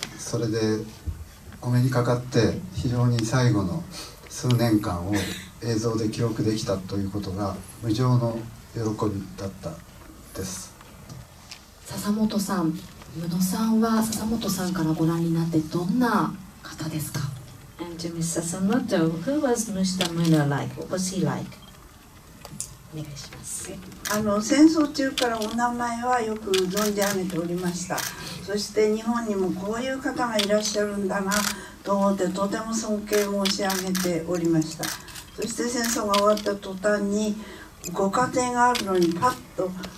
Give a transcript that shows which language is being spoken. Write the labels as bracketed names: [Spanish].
[Japanese] それでお目にかかって非常に最後の数年間を映像で記録できたということが無上の喜びだったです。笹本さん、宇野さんは笹本さんからご覧になってどんな方ですか。 [English] And to Miss Sasamoto, who was Mr. Muno like? What was he like? [Japanese] お願いします。戦争中からお名前はよく存じ上げておりました。そして日本にもこういう方がいらっしゃるんだなと思って、とても尊敬申し上げておりました。そして戦争が終わった途端に、ご家庭があるのにパッと